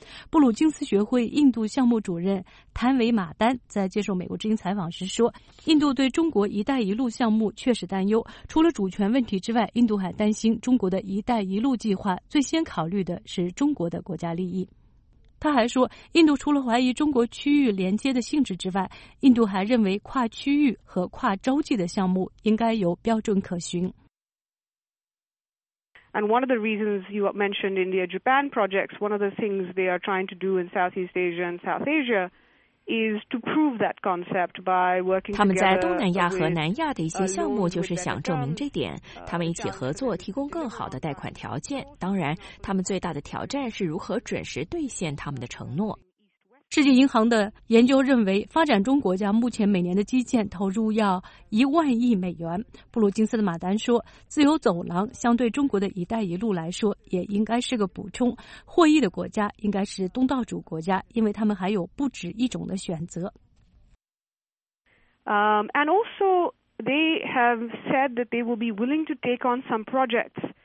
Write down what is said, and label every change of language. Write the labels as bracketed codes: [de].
[zh] 布鲁金斯学会印度项目主任谭维马丹在接受美国之音采访时说，印度对中国一带一路项目确实担忧，除了主权问题之外，印度还担心中国的一带一路计划最先考虑的是中国的国家利益。他还说，印度除了怀疑中国区域连接的性质之外，印度还认为跨区域和跨洲际的项目应该有标准可循。 [en] And one of the reasons you mentioned India-Japan projects, one of the things they are trying to do in Southeast Asia and South Asia is to prove that concept by working together. [zh] 他们在东南亚和南亚的一些项目就是想证明这点，他们一起合作提供更好的贷款条件。当然，他们最大的挑战是如何准时兑现他们的承诺。世界银行的研究认为，发展中国家目前每年的基建投入要10000亿美元。布鲁金斯的马丹说，自由走廊相对中国的一带一路来说也应该是个补充，获益的国家应该是东道主国家，因为他们还有不止一种的选择。 [en] And also they have said that they will be willing to take on some projects